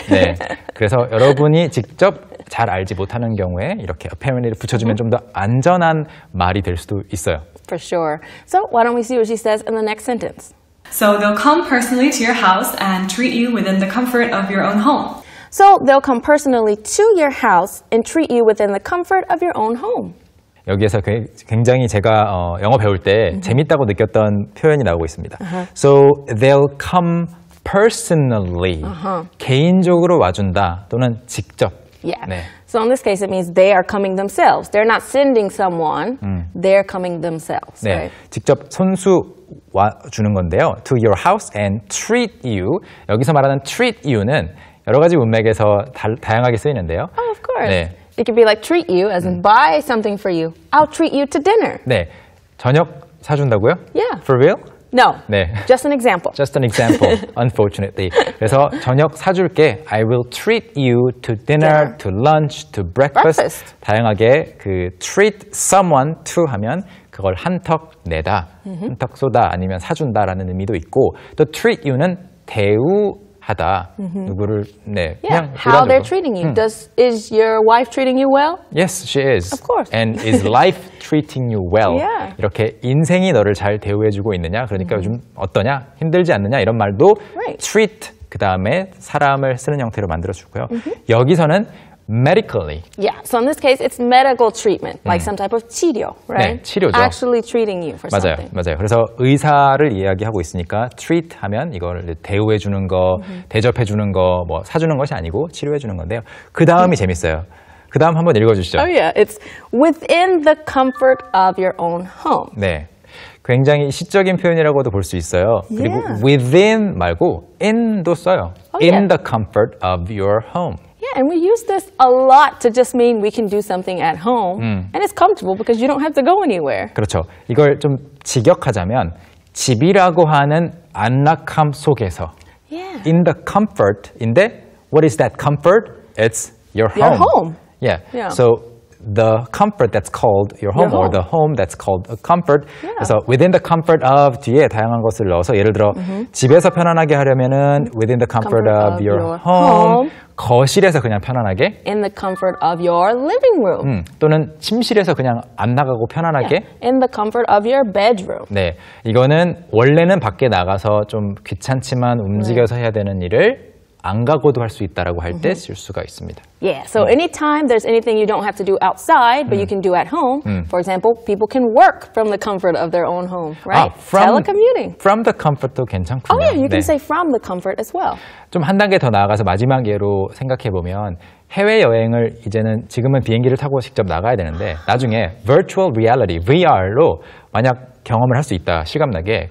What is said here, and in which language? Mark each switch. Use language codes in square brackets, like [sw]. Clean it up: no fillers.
[ko] 네. 그래서 여러분이 직접 잘 알지 못하는 경우에 이렇게 apparently를 붙여주면 좀 더 안전한 말이 될 수도 있어요. [en] For sure. So why don't we see what she says in the next sentence. So they'll come personally to your house and treat you within the comfort of your own home. So they'll come personally to your house and treat you within the comfort of your own home. [ko] 여기에서 굉장히 제가 영어 배울 때 mm-hmm. 재밌다고 느꼈던 표현이 나오고 있습니다. [en] Uh-huh. So they'll come personally. Uh-huh. [ko] 개인적으로 와준다 또는 직접. Yeah. 네. [en] So in this case it means they are coming themselves. They're not sending someone. They're coming themselves. [ko] 네. [en] Right? [ko] 직접 손수 와 주는 건데요. [en] To your house and treat you. [ko] 여기서 말하는 treat you는 여러 가지 문맥에서 다양하게 쓰이는데요. [en] Oh, of course. 네. It could be like treat you, as in buy something for you. I'll treat you to dinner. [ko] 네, 저녁 사준다고요? [en] Yeah. For real? No, [ko] 네. [en] Just an example. Just an example, unfortunately. [ko] 그래서 저녁 사줄게. [en] I will treat you to dinner, dinner. to lunch, to breakfast. breakfast. [ko] 다양하게 그 treat someone to 하면 그걸 한턱 내다, mm-hmm. 한턱 쏟아 아니면 사준다라는 의미도 있고 또 treat you는 대우 하다 mm-hmm. 누구를 네 [en] yeah. [ko] 그냥 how 일하려고. [en] they're treating you does is your wife treating you well yes she is of course and is life treating you well yeah. [ko] 이렇게 인생이 너를 잘 대우해 주고 있느냐 그러니까 mm-hmm. 요즘 어떠냐 힘들지 않느냐 이런 말도 [en] right. [ko] treat 그다음에 사람을 쓰는 형태로 만들어 주고요 mm-hmm. 여기서는 medically. [en] Yeah, so in this case, it's medical treatment, like some type of 치료, right? [ko] 네, 치료죠. [en] Actually treating you for [ko] 맞아요, [en] something. [ko] 맞아요, 맞아요. 그래서 의사를 이야기하고 있으니까 treat 하면 이걸 대우해주는 거, mm-hmm. 대접해주는 거, 뭐 사주는 것이 아니고 치료해주는 건데요. 그 다음이 mm-hmm. 재밌어요. 그 다음 한번 읽어주시죠. [en] Oh yeah, it's within the comfort of your own home. [ko] 네, 굉장히 시적인 표현이라고도 볼 수 있어요. 그리고 [en] yeah. [ko] within 말고 in도 써요. [en] Oh, in yeah. the comfort of your home. And we use this a lot to just mean we can do something at home. And it's comfortable because you don't have to go anywhere. [ko] 그렇죠. 이걸 좀 직역하자면 집이라고 하는 안락함 속에서 [en] yeah. [ko] in the comfort인데 [en] what is that comfort? It's your home. Your home. Yeah. yeah. So the comfort that's called your home, your home. Or the home that's called a comfort. Yeah. [ko] So within the comfort of 뒤에 다양한 것을 넣어서 예를 들어 mm-hmm. 집에서 편안하게 하려면은 [en] within the comfort of your home. [ko] 거실에서 그냥 편안하게 [en] in the comfort of your living room. [ko] 또는 침실에서 그냥 안 나가고 편안하게 [en] yeah. in the comfort of your bedroom. [ko] 네. 이거는 원래는 밖에 나가서 좀 귀찮지만 움직여서 right. 해야 되는 일을 안 가고도 할 수 있다라고 할 때 쓸 수가 있습니다. [en] Yeah, so anytime there's anything you don't have to do outside, but you can do at home. For example, people can work from the comfort of their own home, right? [ko] 아, from, [en] telecommuting. [ko] From the comfort도 괜찮고요. [en] Oh yeah, you can 네. say from the comfort as well. [ko] 좀 한 단계 더 나아가서 마지막 예로 생각해 보면 해외 여행을 이제는 지금은 비행기를 타고 직접 나가야 되는데 나중에 virtual reality, VR로 만약 경험을 할 수 있다 실감나게